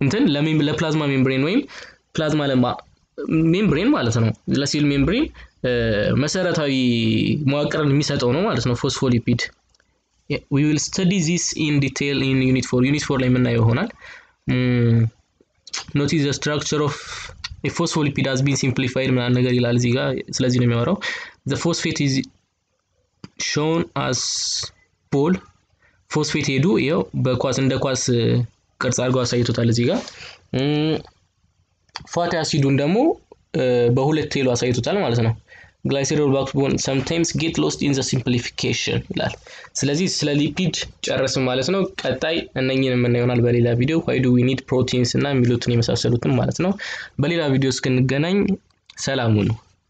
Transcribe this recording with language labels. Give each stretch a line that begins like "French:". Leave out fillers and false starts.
Amharic: ለፕላዝማ ሜምብሬን ወይም ፕላዝማ ሜምብሬን ማለት ነው ለሴል ሜምብሬን መሰረታዊ መዋቅርን የሚሰጠው ነው ማለት ነው ፎስፎሊፒድ።
English: We will study this in detail in unit 4. Unit 4
Amharic: ላይ የምናየው ይሆናል።
English: Notice the structure of a phospholipid has been simplified.
Amharic: ምናምን ነገር ይላል እዚህ ጋር። ስለዚህ ነው የሚያወራው።
English: The phosphate is shown as ball.
Amharic: ፎስፌት ሄዱ ይኸው በኳስ እንደ ኳስ ቅርጽ አድርገው አሳይቶታል እዚህ ጋር። ፋቲ አሲዱን ደግሞ በሁለት ቴሉ አሳይቶታል ማለት ነው። ግላይሴሮል ባክቦን
English: sometimes get lost in the simplification
Amharic: ይላል። ስለዚህ ስለ ሊፒድ ጨረስን ማለት ነው። ቀጣይ እነኚህን የምናየው ይሆናል በሌላ ቪዲዮ።
English: why do we need proteins
Amharic: እና የሚሉትን የመሳሰሉትን ማለት ነው። በሌላ ቪዲዮ እስክንገናኝ ሰላም ሁኑ።